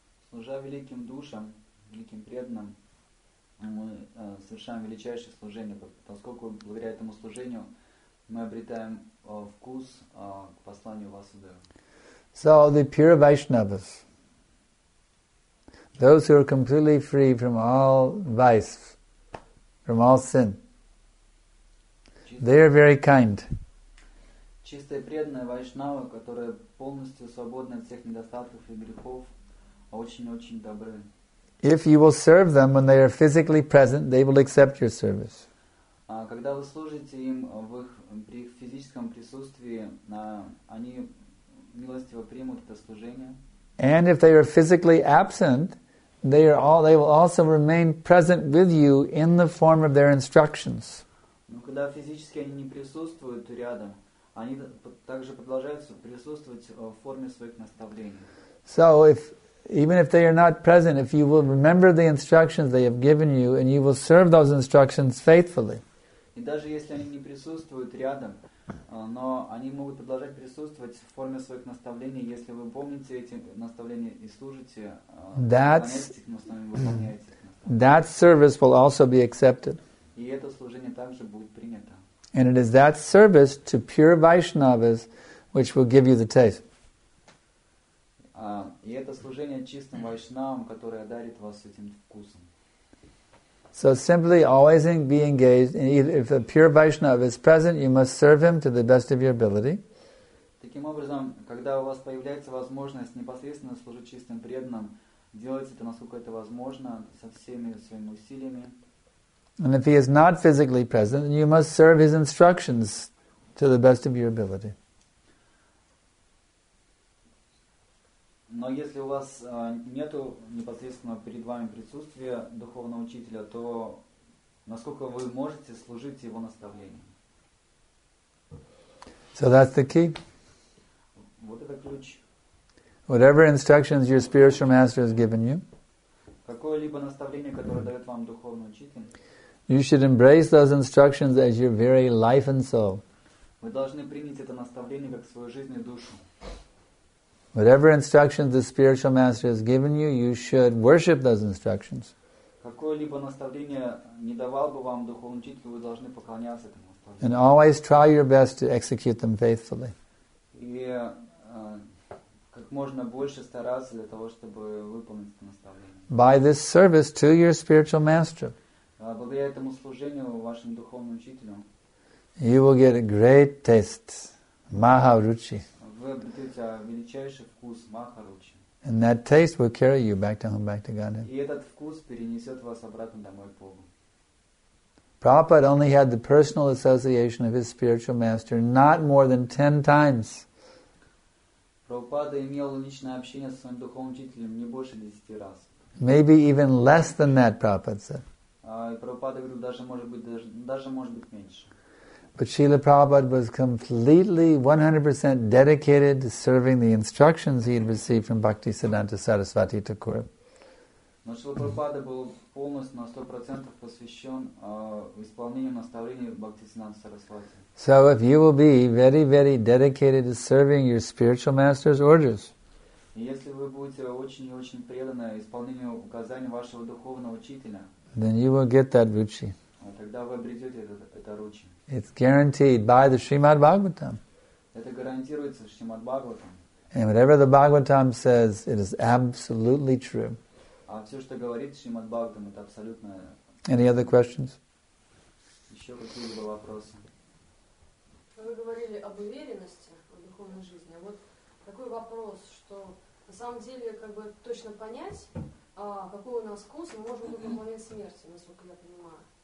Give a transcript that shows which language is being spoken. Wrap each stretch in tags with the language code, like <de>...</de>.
<ru>Служа великим душам, великим преданным, мы совершаем величайшее служение, поскольку благодаря этому служению мы обретаем вкус к посланию Васудевы.</ru> <en>So the pure Vaishnavas, those who are completely free from all vice, from all sin, they are very kind.</en> <ru>Чистые преданные Вайшнавы, которые полностью свободны от всех недостатков и грехов, очень-очень добры.</ru> <en>If you will serve them when they are physically present, they will accept your service.</en> <ru>Когда вы служите им в их физическом присутствии, они милостиво примут это служение.</ru> <en>And if they are physically absent, they will also remain present with you in the form of their instructions.</en> <ru>Но когда физически они не присутствуют рядом, они также продолжают присутствовать в форме своих наставлений.</ru> <en>So if even if they are not present, if you will remember the instructions they have given you and you will serve those instructions faithfully.</en> <ru>И даже если они не присутствуют рядом, но они могут продолжать присутствовать в форме своих наставлений, если вы помните эти наставления и служите,</ru> <en>that service will also be accepted.</en> <ru>И это служение также будет принято.</ru> <en>And it is that service to pure Vaishnavas which will give you the taste.</en> <ru>И это служение чистым вайшнавам, которое дарит вас этим вкусом.</ru> <en>So simply always be engaged. If a pure Vaishnava is present, you must serve him to the best of your ability.</en> <ru>Таким образом, когда у вас появляется возможность непосредственно служить чистым преданным, делайте это, насколько это возможно, со всеми своими усилиями.</ru> <en>And if he is not physically present, then you must serve his instructions to the best of your ability.</en> <ru>Но если у вас нету непосредственно перед вами присутствия духовного учителя, то насколько вы можете служить его наставлением?</ru> <en>So that's the key.</en> <ru>Вот это ключ.</ru> <en>Whatever instructions your spiritual master has given you,</en> <ru>какое-либо наставление, которое дает вам духовный учитель,</ru> <en>you should embrace those instructions as your very life and soul.</en> <ru>Вы должны принять это наставление как свою жизнь и душу.</ru> <en>Whatever instructions the spiritual master has given you, you should worship those instructions.</en> <ru>Какое-либо наставление не давал бы вам духовный учитель, вы должны поклоняться этому наставлению.</ru> <en>And always try your best to execute them faithfully.</en> <ru>И как можно больше стараться для того, чтобы выполнить это наставление.</ru> <en>By this service to your spiritual master,</en> <ru>благодаря этому служению вашему духовному учителю,</ru> <en>you will get a great taste, Maharuchi.</en> <ru>Вы обретете величайший вкус Махаручи.</ru> <en>And that taste will carry you back to home, back to Godhead.</en> <ru>И этот вкус перенесет вас обратно домой к Богу.</ru> <en>Prabhupada only had the personal association of his spiritual master not more than 10 times.</en> <ru>Прабхупада имел личное общение со своим духовным учителем не больше 10 раз.</ru> <en>Maybe even less than that, Prabhupada said.</en> <ru>Прабхупада говорил, даже может быть меньше.</ru> <en>But Srila Prabhupada was completely 100% dedicated to serving the instructions he had received from Bhakti Siddhanta Sarasvati Thakur.</en> <ru>Но Шрила Прабхупада был полностью на 100% посвящен исполнению наставлений Бхакти Сиддханты Сарасвати.</ru> <en>So if you will be very, very dedicated to serving your spiritual master's orders,</en> <ru>если вы будете очень и очень преданы исполнению указаний вашего духовного учителя,</ru> <en>then you will get that ruchi.</en> <ru>тогда вы обретете это ручи.</ru> <en>It's guaranteed by the Srimad Bhagavatam.</en> <ru>Это гарантируется Шримад Бхагаватам.</ru> <en>And whatever the Bhagavatam says, it is absolutely true.</en> <ru>А все, что говорит Шримад Бхагаватам, это абсолютно.</ru> <en>Any other questions?</en> <ru>Еще какие-либо вопросы? Вы говорили об уверенности в духовной жизни. Вот такой вопрос, что на самом деле как бы точно понять. Какой у нас вкус, мы можем только в момент смерти, насколько я понимаю.</ru>